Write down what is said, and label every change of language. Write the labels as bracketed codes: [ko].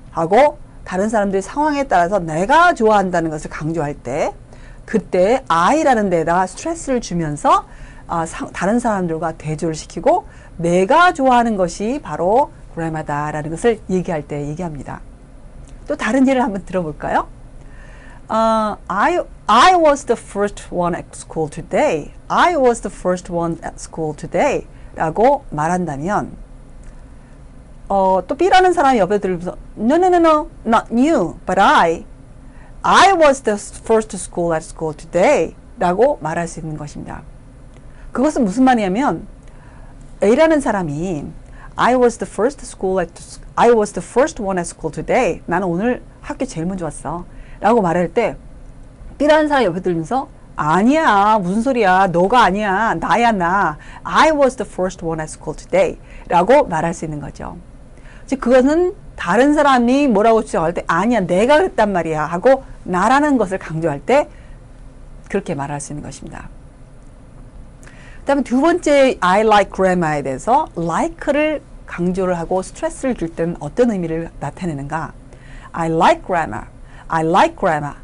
[ko] 하고 다른 사람들이 상황에 따라서 내가 좋아한다는 것을 강조할 때 그때 I라는 데다 스트레스를 주면서 다른 사람들과 대조를 시키고 내가 좋아하는 것이 바로 grammar다라는 것을 얘기할 때 얘기합니다. 또 다른 예를 한번 들어볼까요? [en] I was the first one at school today. I was the first one at school today. 라고 말한다면 또 B라는 사람이 옆에 들면서 No, no, no, no, not you, but I was the first school at school today. [ko] 라고 말할 수 있는 것입니다. [en] 그것은 무슨 말이냐면 A라는 사람이 I was the first school at I was the first one at school today. [ko] 나는 오늘 학교 제일 먼저 왔어. 라고 말할 때 B라는 사람 옆에 들면서 아니야. 무슨 소리야. 너가 아니야. 나야 나. [en] I was the first one at school today. [ko] 라고 말할 수 있는 거죠. 즉 그것은 다른 사람이 뭐라고 주장할 때 아니야. 내가 그랬단 말이야. 하고 나라는 것을 강조할 때 그렇게 말할 수 있는 것입니다. 그 다음에 두 번째 I like grandma에 대해서 like를 강조를 하고 스트레스를 줄 때는 어떤 의미를 나타내는가? I like grandma. I like grandma.